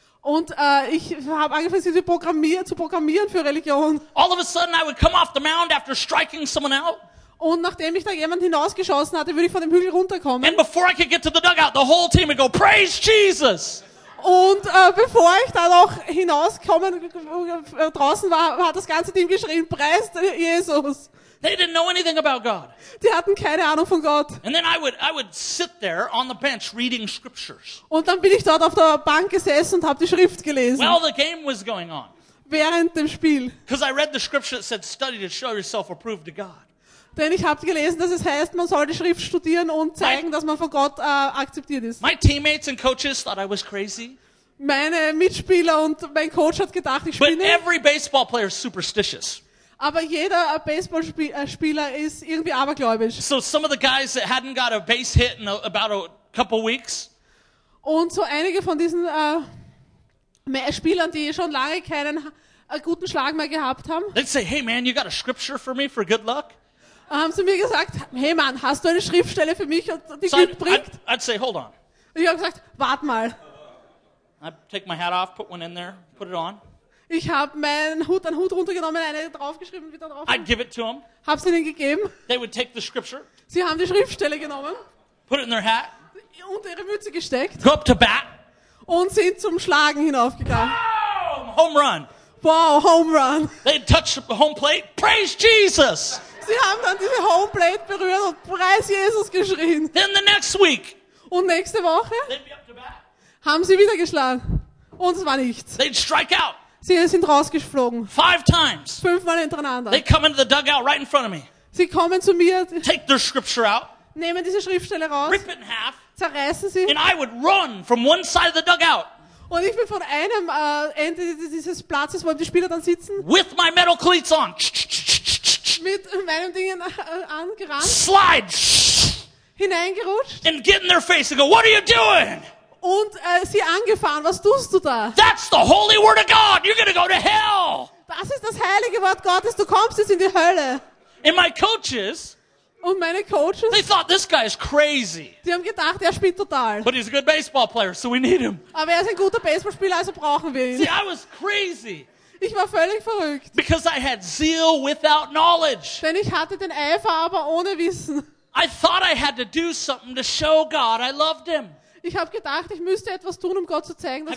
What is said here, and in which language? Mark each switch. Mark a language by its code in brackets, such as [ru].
[de] Und ich habe angefangen, sie zu programmieren für Religion. [en] All of a sudden, I would come off the mound after striking someone out. [de] Und nachdem ich da jemand hinausgeschossen hatte, würde ich von dem Hügel runterkommen. [en] And before I could get to the dugout, the whole team would go, praise Jesus! [de] Und bevor ich da noch hinauskommen draußen war, hat das ganze Team geschrien, preist Jesus! [en] They didn't know anything about God. [de] Die hatten keine Ahnung von Gott. [en] And then I would sit there on the bench reading scriptures. [de] Und dann bin ich dort auf der Bank gesessen und habe die Schrift gelesen. [en] While the game was going on. [de] Während dem Spiel. [en] Because I read the scripture that said, "Study to show yourself approved to God." [de] Denn ich habe gelesen, dass es heißt, man soll die Schrift studieren und zeigen, dass man von Gott akzeptiert ist. [en] My teammates and coaches thought I was crazy. [de] Meine Mitspieler und mein Coach hat gedacht, ich spinne. [en] But every baseball player is superstitious. [de] Aber jeder Baseballspieler ist irgendwie abergläubisch. [en] So some of the guys that hadn't got a base hit in about a couple weeks. [de] Und so einige von diesen Spielern, die schon lange keinen guten Schlag mehr gehabt haben. [en] They'd say, hey man, you got a scripture for me for good luck? [de] Haben sie mir gesagt, hey man, hast du eine Schriftstelle für mich, die Glück bringt? [en] I'd say, hold on. [de] Ich habe gesagt, wart mal. [en] I'd take my hat off, put one in there, put it on. [de] Ich habe meinen Hut an Hut runtergenommen, eine draufgeschrieben, wieder drauf. [en] I'd give it to them. [de] Hab's ihnen gegeben. [en] They would take the scripture. [de] Sie haben die Schriftstelle genommen. [en] Put it in their hat. [de] Und ihre Mütze gesteckt. [en] Go up to bat. [de] Und sind zum Schlagen hinaufgegangen. [en] Boom! Home run. Wow, home run. They touched the home plate. Praise Jesus. [de] Sie haben dann diese home plate berührt und preis Jesus geschrien. [en] Then the next week. [de] Und nächste Woche. [en] They'd be up to bat. [de] Haben sie wieder geschlagen. Und es war nichts. [en] They'd strike out. [de] Sie sind rausgeflogen. [en] 5 times. [de] 5 Mal hintereinander. [en] They come into the dugout right in front of me. [de] Sie kommen zu mir. [en] Take their scripture out. [de] Nehmen diese Schriftstelle raus. [en] Rip it in half. [de] Zerreißen sie. [en] And I would run from one side of the dugout. [de] Und ich bin von einem Ende dieses Platzes, wo die Spieler dann sitzen. [en] With my metal cleats on. [de] Mit meinen Dingen angerannt. [en] Slide. [de] Hineingerutscht. [en] And get in their face and go, what are you doing? [de] Und sie angefahren, was tust du da? [en] That's the holy word of God. You're gonna go to hell. [de] Das ist das heilige Wort Gottes. Du kommst jetzt in die Hölle. [en] And my coaches. [de] Und meine Coaches. [en] They thought this guy is crazy. [de] Die haben gedacht, er spielt total. [en] But he's a good baseball player, so we need him. [de] Aber er ist ein guter Baseballspieler, also brauchen wir ihn. [en] See, I was crazy. [de] Ich war völlig verrückt. [en] Because I had zeal without knowledge. [de] Denn ich hatte den Eifer, aber ohne Wissen. [en] I thought I had to do something to show God I loved him. [de] Ich habe gedacht, ich müsste etwas tun, um Gott zu zeigen, dass